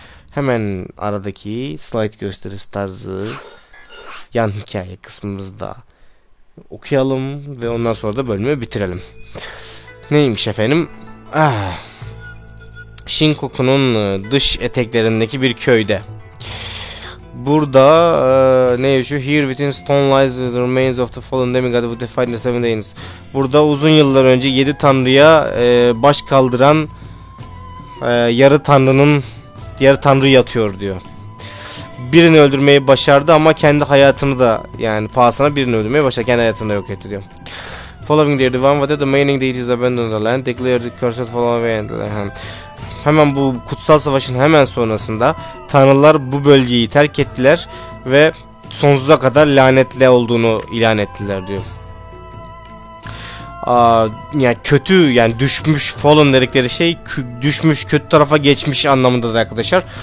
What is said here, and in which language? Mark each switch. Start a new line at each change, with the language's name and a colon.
Turkish: Hemen aradaki slide gösterisi tarzı yan hikaye kısmımızda okuyalım ve ondan sonra da bölümü bitirelim. Neymiş efendim? Shinkoku'nun dış eteklerindeki bir köyde. Burada neymiş şu?
English: Here within stone lies the remains of the fallen demigod who defied the seven deities.
Turkish: Burada uzun yıllar önce 7 tanrıya baş kaldıran yarı tanrının, yarı tanrı yatıyor diyor. Birini öldürmeyi başardı ama kendi hayatını da, yani pahasına birini öldürmeyi başardı. Kendi hayatını da yok etti diyor.
English: Following the divine water, the remaining deities abandoned the land, declared the cursed fallen demigod.
Turkish: Hemen bu kutsal savaşın hemen sonrasında tanrılar bu bölgeyi terk ettiler ve sonsuza kadar lanetli olduğunu ilan ettiler diyor. Yani kötü, yani düşmüş, fallen dedikleri şey düşmüş, kötü tarafa geçmiş anlamında da arkadaşlar.